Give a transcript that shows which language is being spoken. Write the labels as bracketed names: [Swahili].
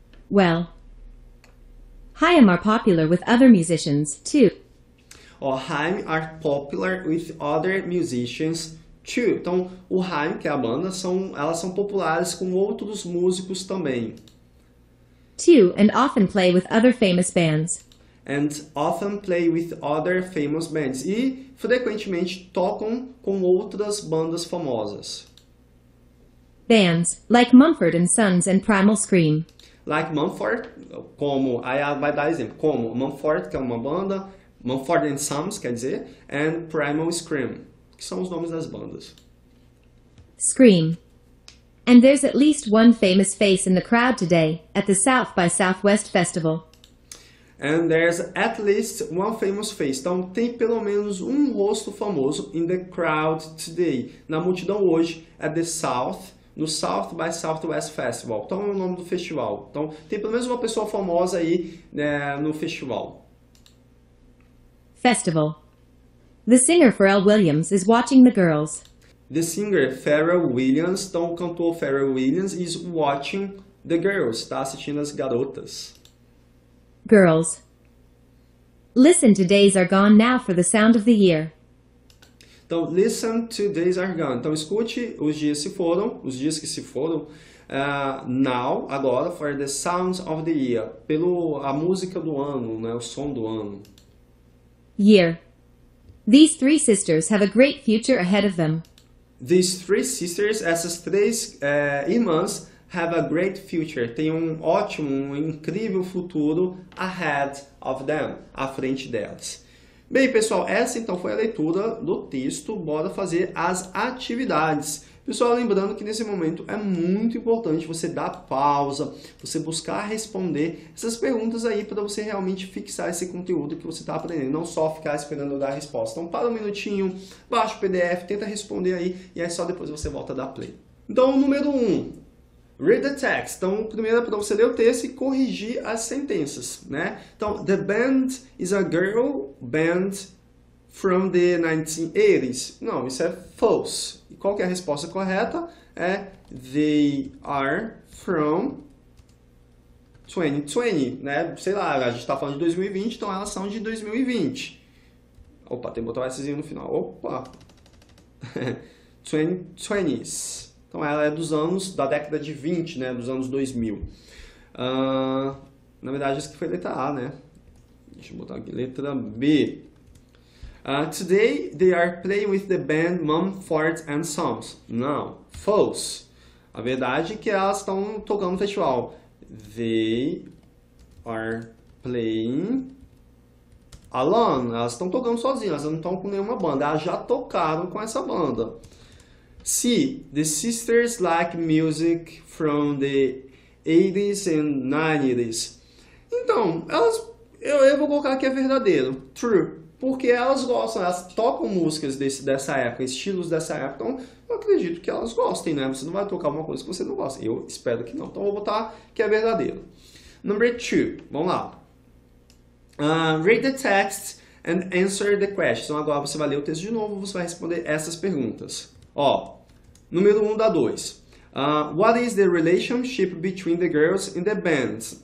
[English] Well. Haim are popular with other musicians too. Haim are popular with other musicians too. [Portuguese] Então, o Haim, que é a banda, elas são populares com outros músicos também. [English] Too, and often play with other famous bands. And often play with other famous bands. [Portuguese] E frequentemente tocam com outras bandas famosas. [English] Bands, like Mumford & Sons and Primal Scream. [Portuguese] Like Mumford, como, aí vai dar exemplo, como Mumford, que é uma banda, Mumford and Sons, quer dizer, and Primal Scream, que são os nomes das bandas. [English] Scream. And there's at least one famous face in the crowd today, at the South by Southwest Festival. And there's at least one famous face. [Portuguese] Então, tem pelo menos um rosto famoso [English] in the crowd today, [Portuguese] na multidão hoje, [English] at the South, [Portuguese] no South by Southwest Festival. Então é o nome do festival. Então tem pelo menos uma pessoa famosa aí, né, no festival. [English] Festival. The singer Pharrell Williams is watching the girls. The singer [Portuguese] Pharrell Williams, então o cantor Pharrell Williams, [English] is watching the girls, [Portuguese] está assistindo as garotas. [English] Girls. Listen to Days Are Gone Now for the Sound of the Year. [Portuguese] Então, listen to Days Are Gone. Então, escute os dias se foram, os dias que se foram, now, agora, [English] for the sounds of the year. [Portuguese] Pelo a música do ano, né, o som do ano. [English] Year. These three sisters have a great future ahead of them. These three sisters, [Portuguese] essas três irmãs, [English] have a great future. [Portuguese] Tem um ótimo, um incrível futuro [English] ahead of them, [Portuguese] à frente delas. Bem, pessoal, essa então foi a leitura do texto. Bora fazer as atividades. Pessoal, lembrando que nesse momento é muito importante você dar pausa, você buscar responder essas perguntas aí para você realmente fixar esse conteúdo que você está aprendendo, não só ficar esperando dar a resposta. Então, para um minutinho, baixa o PDF, tenta responder aí e aí só depois você volta a dar play. Então, número 1, read the text. Então, primeiro é para você ler o texto e corrigir as sentenças, né? [English] Então, the band is a girl band from the 1980s. [Portuguese] Não, isso é false. Qual que é a resposta correta? É [English] they are from 2020, [Portuguese] né? Sei lá, a gente tá falando de 2020, então elas são de 2020. Opa, tem que botar o Szinho no final. Opa! 2020s. Então ela é dos anos, da década de 20, né? Dos anos 2000. Na verdade, isso aqui foi letra A, né? Deixa eu botar aqui letra B. [English] Today they are playing with the band Mumford and Sons. [Portuguese] Não, false. A verdade é que elas estão tocando no festival. [English] They are playing alone. [Portuguese] Elas estão tocando sozinhas, elas não estão com nenhuma banda. Elas já tocaram com essa banda. [English] C, the sisters like music from the 80s and 90s. [Portuguese] Então, elas, eu vou colocar aqui é verdadeiro. True. Porque elas gostam, elas tocam músicas dessa época, estilos dessa época. Então, eu acredito que elas gostem, né? Você não vai tocar uma coisa que você não gosta. Eu espero que não. Então, eu vou botar que é verdadeiro. Number two, vamos lá. [English] Read the text and answer the questions. [Portuguese] Então, agora você vai ler o texto de novo e você vai responder essas perguntas. Ó, número 1 da 2. [English] What is the relationship between the girls in the band?